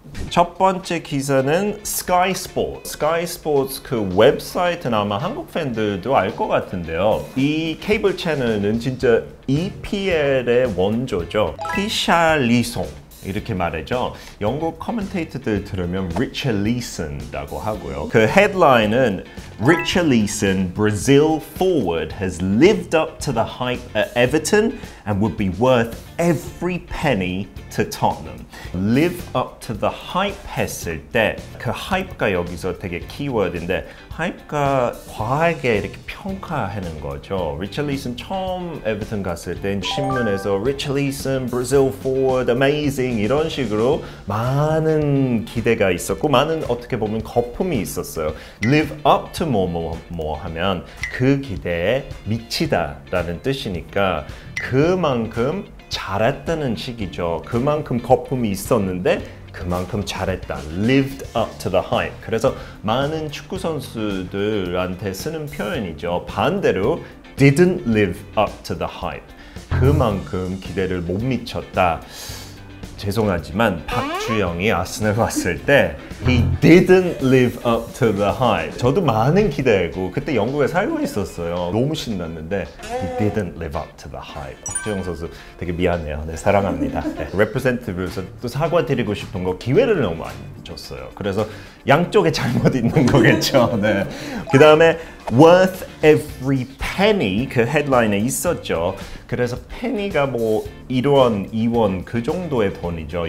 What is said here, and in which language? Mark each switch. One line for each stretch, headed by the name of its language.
Korean: 첫 번째 기사는 Sky Sports. Sky Sports 그 웹사이트는 아마 한국 팬들도 알 것 같은데요. 이 케이블 채널은 진짜 EPL의 원조죠. 피샬리송 이렇게 말하죠. 영국 커멘테이터들 들으면 리차리슨이라고 하고요. 그 헤드라인은
English: Richarlison, Brazil forward has lived up to the hype at Everton and would be worth every penny to Tottenham. Live up to the hype
Korean: 했을 때 그 hype가 여기서 되게 키워드인데 hype가 과하게 이렇게 평가하는 거죠. Richarlison 처음 Everton 갔을 때 신문에서 Richarlison,
English: Brazil forward, amazing
Korean: 이런 식으로 많은 기대가 있었고 많은 어떻게 보면 거품이 있었어요.
English: Live up to
Korean: 뭐뭐뭐 하면 그 기대에 미치다 라는 뜻이니까 그만큼 잘했다는 식이죠. 그만큼 거품이 있었는데 그만큼 잘했다.
English: Lived up to the hype.
Korean: 그래서 많은 축구 선수들한테 쓰는 표현이죠. 반대로
English: didn't live up to the hype.
Korean: 그만큼 기대를 못 미쳤다. 죄송하지만 박주영이 아스널 왔을 때
English: He didn't live up to the hype.
Korean: 저도 많은 기대하고 그때 영국에 살고 있었어요. 너무 신났는데
English: He didn't live up to the hype.
Korean: 박주영 선수 되게 미안해요. 네, 사랑합니다. 네. Representative에서 또 사과드리고 싶은 거 기회를 너무 많이 줬어요. 그래서 양쪽에 잘못 있는 거겠죠. 네. 그 다음에
English: Worth every penny
Korean: 그 헤드라인에 있었죠. 그래서 penny가 뭐 1원, 2원 그 정도의 돈이죠.